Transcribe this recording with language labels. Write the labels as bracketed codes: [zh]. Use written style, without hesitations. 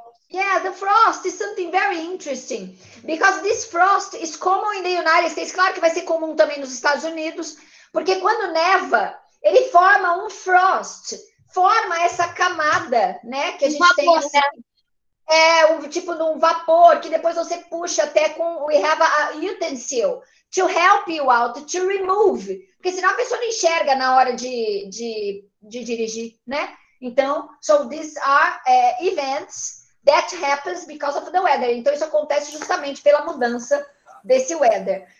[en] Yeah, the frost is something very interesting, because this frost is common in the United States. [pt] Claro que vai ser comum também nos Estados Unidos, porque quando neva, ele forma um frost, forma essa camada, né, que a gente tem assim. É um tipo de um vapor que depois você puxa até com... [en] We have a utensil to help you out, to remove. [pt] Porque senão a pessoa não enxerga na hora de dirigir, né? [en] Então, so these are events that happens because of the weather. [pt] Então, isso acontece justamente pela mudança desse weather.